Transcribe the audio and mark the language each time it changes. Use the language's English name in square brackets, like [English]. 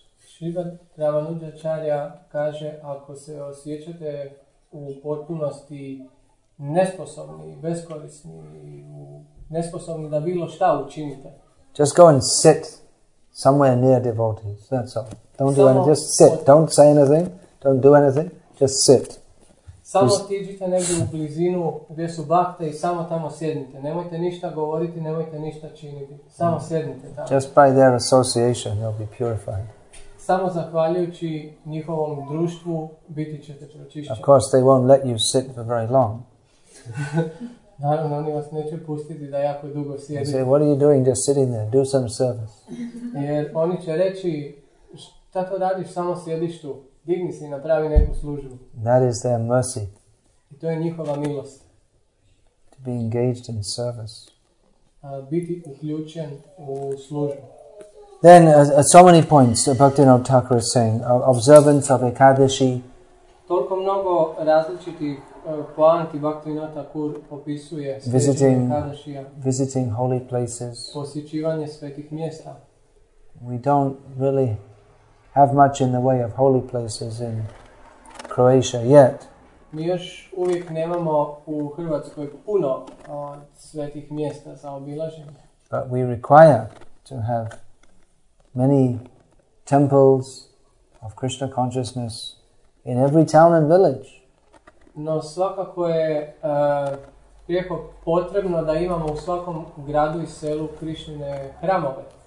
[Croatian] Shripad Ramanujacharya kaže ako se osjećate u potpunosti nesposobni, beskorisni, u nesposobni da bilo šta učinite. [English] Just go and sit somewhere near devotees, that's all. Don't do anything, just sit. Don't say anything, don't do anything, just sit. [Croatian] Samo otiđite negdje u blizinu gdje su bhakte i samo tamo sjednite. Nemojte ništa govoriti, nemojte ništa činiti. Samo sjednite tamo. [English] Just by their association, you'll be purified. [Croatian] Samo zahvaljujući njihovom društvu, biti ćete pročišćeni. [English] Of course, they won't let you sit for very long. [Croatian] Naravno, oni vas neće pustiti da jako dugo sjedite. [English] They say, what are you doing just sitting there? Do some service. [Croatian] Jer oni će reći, šta to radiš, samo sjediš tu. Digni se i napravi neku službu. [English] That is their mercy. [Croatian] I to je njihova milost. [English] To be engaged in service. [Croatian] Biti uključen u službu. [English] Then, so many points Bhaktivinoda Thakur is saying, observance of Ekadashi. [Croatian] Toliko mnogo različitih poanti Bhaktivinoda Thakur opisuje. [English] Visiting holy places. [Croatian] Posjećivanje svetih mjesta. [English] We don't really have much in the way of holy places in Croatia yet. [Croatian] Mi još uvijek nemamo u Hrvatskoj puno svetih mjesta za obilaženje. [English] But we require to have many temples of Krishna consciousness in every town and village. [Croatian] No svakako je prijeko potrebno da imamo u svakom gradu i selu Krišnine hramove.